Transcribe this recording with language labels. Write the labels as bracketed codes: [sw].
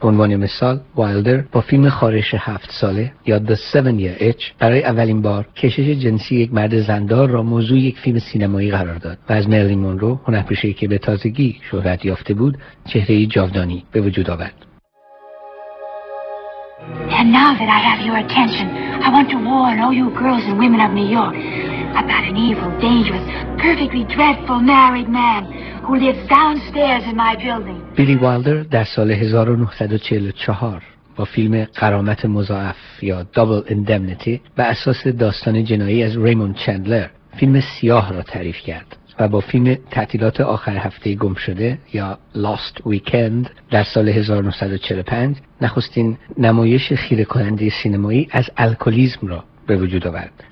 [fa] عنوان مثال، وایلدر با فیلم خارش 7 ساله یا The 7 Year Itch برای اولین بار کشش جنسی یک مرد زندار را موضوع یک فیلم سینمایی قرار داد و از مرلین مونرو، هنرپیشه‌ای که به تازگی شهرت یافته بود، چهره جاودانی به وجود آورد. [en] And now that I have your attention, I want to warn all you girls and women of New York about an evil, dangerous, perfectly dreadful married man who lives downstairs in my building. [fa] Billy Wilder, در سال 1944 با فیلم غرامت مضاعف یا Double Indemnity بر اساس داستان جنایی از ریموند چندلر فیلم سیاه را تعریف کرد و با فیلم تعطیلات آخر هفته گم شده یا Last Weekend در سال 1945 نخستین نمایش خیره کننده سینمایی از الکلیسم را به وجود آورد.